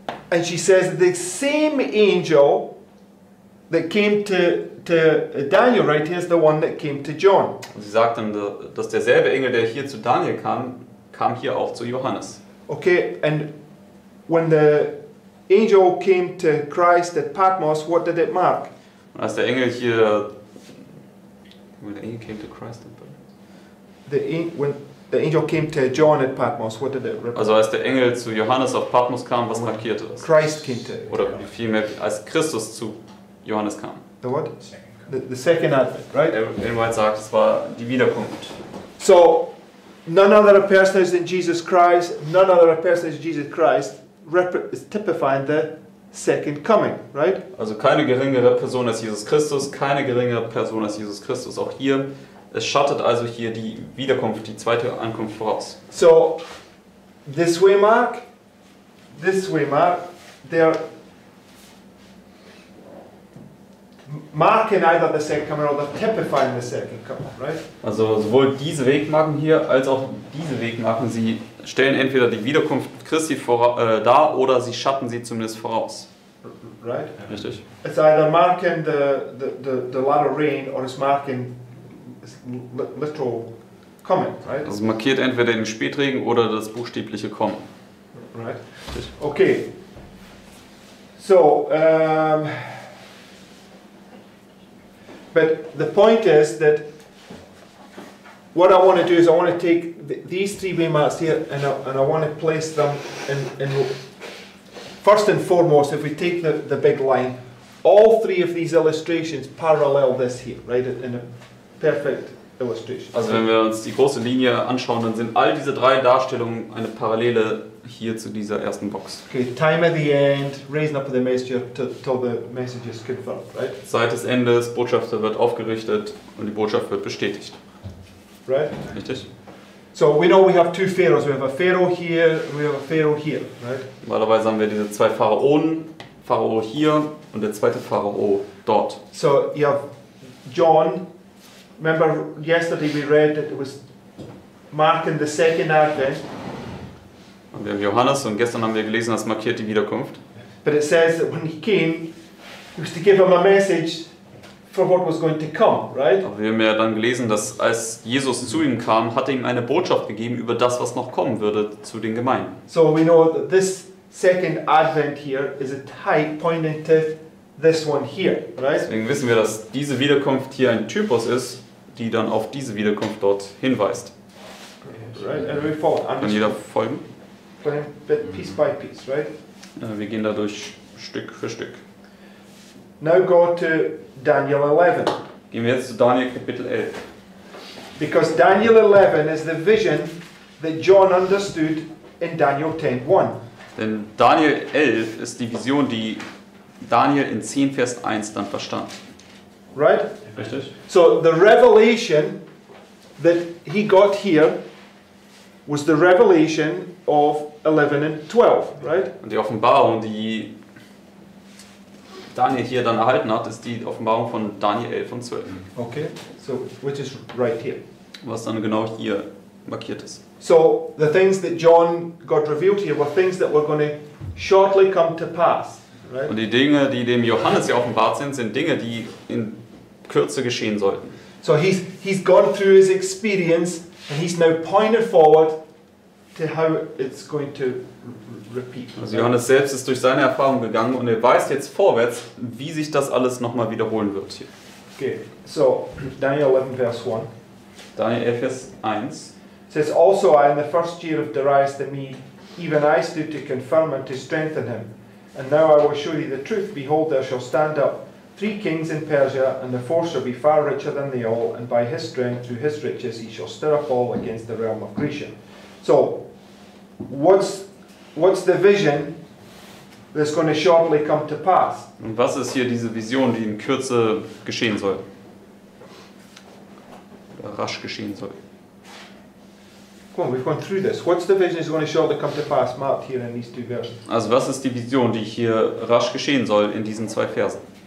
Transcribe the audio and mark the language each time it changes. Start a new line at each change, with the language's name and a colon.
English: And she says the same angel that came to Daniel right here is the one that came to John.
German: Und sie sagt dann, dass derselbe Engel, der hier zu Daniel kam, kam hier auch zu Johannes.
English: Okay, and when the angel came to Christ at Patmos, what did it mark?
German: Und als der Engel hier,
English: when the angel came to Christ at The angel came to John at Patmos. What did it represent?
German: Also als der Engel zu Johannes auf Patmos kam, was markierte das?
English: Christ came to.
German: Oder vielmehr als Christus zu Johannes kam.
English: The what? The second advent, right?
German: Ellen White sagt, es war die Wiederkunft.
English: So, none other person is in Jesus Christ. None other person is Jesus Christ. Is typifying the second coming, right?
German: Also keine geringere Person als Jesus Christus. Keine geringere Person als Jesus Christus. Auch hier. Es schattet also hier die Wiederkunft, die zweite Ankunft voraus.
English: So, this way Mark, they're marking either the second coming or the typifying the second coming, right?
German: Also sowohl diese Wegmarken hier als auch diese Wegmarken, sie stellen entweder die Wiederkunft Christi dar oder sie schatten sie zumindest voraus.
English: Right?
German: Richtig.
English: It's either marking the latter rain or it's marking literal coming, right?
German: Also markiert entweder den Spätregen oder das buchstäbliche Kommen.
English: Right. Okay. So, but the point is that what I want to do is I want to take these three waymarks here and I want to place them in first and foremost, if we take the big line, all three of these illustrations parallel this here, right? In a perfect illustration.
German: Also wenn wir uns die große Linie anschauen, dann sind all diese drei Darstellungen eine Parallele hier zu dieser ersten Box.
English: Okay, time at the end, raising up the messenger till the message is confirmed, right?
German: Zeit des Endes, Botschafter wird aufgerichtet und die Botschaft wird bestätigt.
English: Right?
German: Richtig.
English: So we know we have two pharaohs. We have a pharaoh here and we have a pharaoh here, right?
German: Normalerweise haben wir diese zwei Pharaonen, Pharao hier und der zweite Pharao dort.
English: So you have John. Remember, yesterday we read that it was marking the second advent.
German: Und wir haben Johannes und gestern haben wir gelesen, das markiert die Wiederkunft.
English: But it says that when he came, he was to give him a message for what was going to come, right?
German: Aber wir haben ja dann gelesen, dass als Jesus zu ihm kam, hat er ihm eine Botschaft gegeben über das, was noch kommen würde zu den Gemeinden.
English: So we know that this second advent here is a type pointing to this one here, right?
German: Deswegen wissen wir, dass diese Wiederkunft hier ein Typus ist, die dann auf diese Wiederkunft dort hinweist.
English: Right.
German: Kann jeder folgen?
English: Piece by piece, right?
German: Wir gehen dadurch Stück für Stück.
English: Now go to Daniel 11.
German: Gehen wir jetzt zu Daniel Kapitel 11.
English: Because Daniel 11 is the vision that John understood in Daniel 10:1.
German: Denn Daniel 11 ist die Vision, die Daniel in 10 Vers 1 dann verstand.
English: Right?
German: Richtig.
English: So the revelation that he got here was the revelation of 11 and 12, right?
German: Und die Offenbarung, die Daniel hier dann erhalten hat, ist die Offenbarung von Daniel 11 und 12.
English: Okay. So which is right here.
German: Was dann genau hier markiert ist.
English: So the things that John got revealed here were things that were going to shortly come to pass.
German: Und die Dinge, die dem Johannes hier offenbart sind, sind Dinge, die in Kürze geschehen sollten.
English: So he's gone through his experience and he's now pointed forward to how it's going to repeat.
German: Also Johannes selbst ist durch seine Erfahrung gegangen und er weist jetzt vorwärts, wie sich das alles nochmal wiederholen wird hier.
English: Okay, so Daniel 11, Vers 1.
German: Daniel 11, Vers 1.
English: It says, also I in the first year of Darius the Mede, even I stood to confirm and to strengthen him. And now I will show thee the truth. Behold, there shall stand up three kings in Persia, and the fourth shall be far richer than they all, and by his strength, through his riches, he shall stir up all against the realm of Grecia. So, what's the vision that's going to shortly come to pass?
German: Und was ist hier diese Vision, die in Kürze geschehen soll? Oder rasch geschehen soll?
English: Come on, we've gone through this. What's the vision that's going to shortly come to pass, marked here in these two verses?
German: Also, was ist die Vision, die hier rasch geschehen soll in diesen zwei Versen?